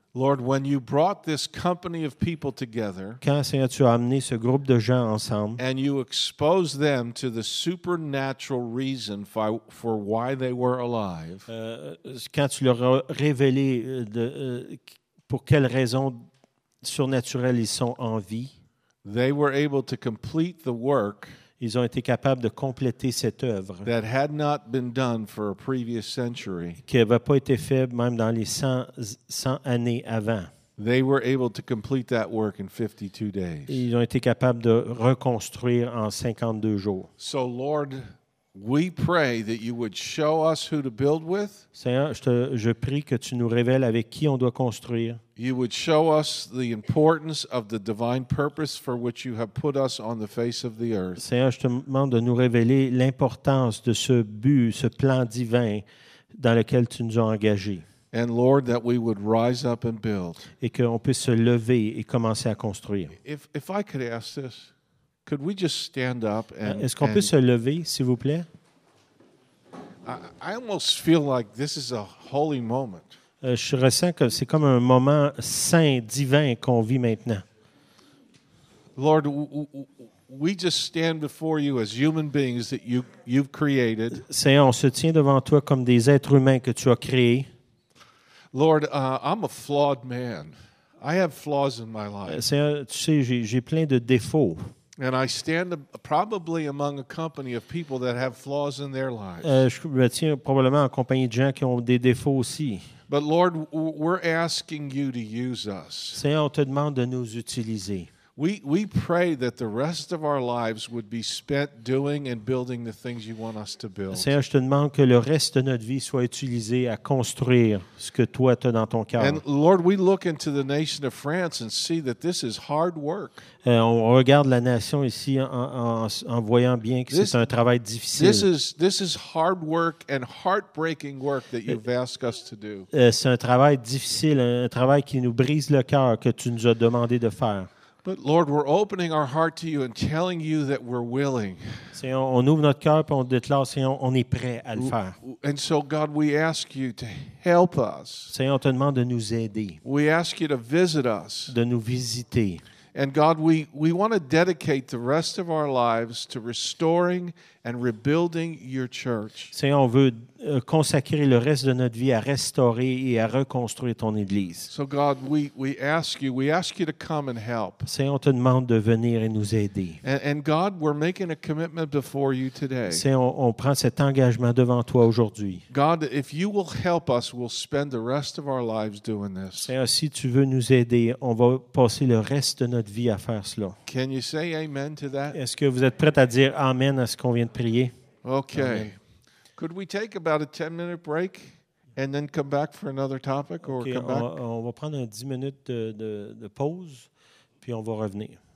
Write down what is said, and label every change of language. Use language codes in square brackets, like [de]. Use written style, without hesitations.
[en] Lord, when you brought this company of people together, [fr] quand Seigneur, tu as amené ce groupe de gens ensemble, [en] and you exposed them to the supernatural reason for why they were alive, [fr] quand tu leur as révélé pour quelle raison surnaturelle ils sont en vie. [en] They were able to complete the work. [fr] Ils ont été capables de compléter cette œuvre. [en] That had not been done for a previous century. [fr] Qui n'avait pas été fait même dans les 100 années avant. [en] They were able to complete that work in 52 days. [fr] Ils ont été capables de reconstruire en 52 jours. [en] So Lord, we pray that you would show us who to build with. [fr] Seigneur, je prie que tu nous révèles avec qui on doit construire. [en] You would show us the importance of the divine purpose for which you have put us on the face of the earth. [fr] Seigneur, je te demande de nous révéler l'importance de ce but, ce plan divin dans lequel tu nous as engagés. [en] And Lord, that we would rise up and build. [fr] Et qu'on puisse se lever et commencer à construire. [en] If I could ask this, could we just stand up and? [fr] Est-ce qu'on peut se lever, s'il vous plaît? [en] I almost feel like this is a holy moment. [fr] Je ressens que c'est comme un moment saint, divin qu'on vit maintenant. [en] Lord, we just stand before you as human beings that you've created. [fr] Seigneur, on se tient devant toi comme des êtres humains que tu as créés. [en] Lord, I'm a flawed man. I have flaws in my life. [fr] Seigneur, tu sais, j'ai plein de défauts. [en] And I stand probably among a company of people that have flaws in their lives. [fr] Je me tiens probablement en compagnie de gens qui ont des défauts aussi. [en] But Lord, we're asking you to use us. [fr] Seigneur, on te demande de nous utiliser. [en] We pray that the rest of our lives would be spent doing and building the things you want us to build. [fr] Seigneur, je te demande que le reste de notre vie soit utilisé à construire ce que toi tu as dans ton cœur. [en] And Lord, we look into the nation of France and see that this is hard work. [fr] On regarde la nation ici en voyant bien que c'est un travail difficile. [en] This is hard work and heartbreaking work that you've asked us to do. [fr] C'est un travail difficile, un travail qui nous brise le cœur que tu nous as demandé de faire. [en] But Lord, we're opening our heart to you and telling you that we're willing. [fr] Seigneur, on ouvre notre cœur et on déclare, Seigneur, on est prêt à le faire. [en] And so, God, we ask you to help us. [fr] Seigneur, on te demande de nous aider. [en] We ask you to visit us. [fr] De nous visiter. [en] And God, we want to dedicate the rest of our lives to restoring and rebuilding your church. [fr] Seigneur, on veut consacrer le reste de notre vie à restaurer et à reconstruire ton église. [en] So God, we ask you to come and help. [fr] Seigneur, on te demande de venir et nous aider. [en] And God, we're making a commitment before you today. [fr] Seigneur, on prend cet engagement devant toi aujourd'hui. [en] God, if you will help us, we'll spend the rest of our lives doing this. [fr] Seigneur, si tu veux nous aider, on va passer le reste de notre vie à faire cela. [en] Can you say amen to that? [fr] Est-ce que vous êtes prêt à dire amen à ce qu'on vient de prier? [en] Okay. Amen. Could we take about a 10-minute break and then come back for another topic or okay, come back? [fr] On va prendre 10 minutes de pause puis on va revenir.